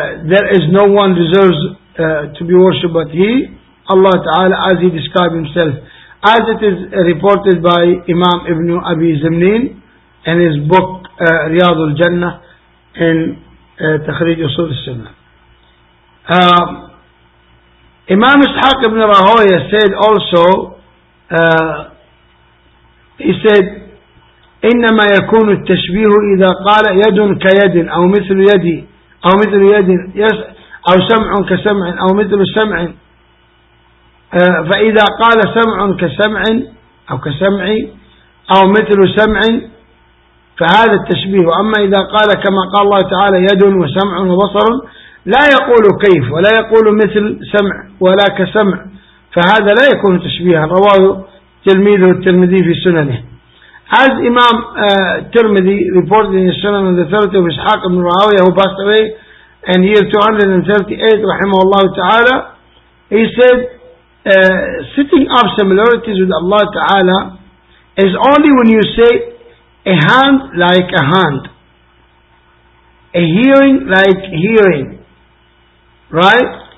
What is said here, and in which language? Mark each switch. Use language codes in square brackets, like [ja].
[en] there is no one deserves to be worshipped but He, Allah Ta'ala, as He described Himself. As it is reported by Imam Ibn Abi Zimnin in his book Riyadul Jannah in Takhrij Usul Sunnah. Imam Ishaq Ibn Rahoya said also, he said, [ar] إنما يكون التشبيه إذا قال يد كيد أو مثل يدي أو مثل يد أو سمع كسمع أو مثل سمع فإذا قال سمع كسمع أو كسمعي أو مثل سمع فهذا التشبيه. أما إذا قال كما قال الله تعالى يد وسمع وبصر لا يقول كيف ولا يقول مثل سمع ولا كسمع فهذا لا يكون تشبيها. رواه تلميذه الترمذي في سننه. [en] As Imam Tirmidhi reported in his Sunan on the 30th of Ishaq ibn Rahawiyah, who passed away in year 238, rahimahullah ta'ala, he said, setting up similarities with Allah ta'ala is only when you say a hand like a hand, a hearing like hearing, right?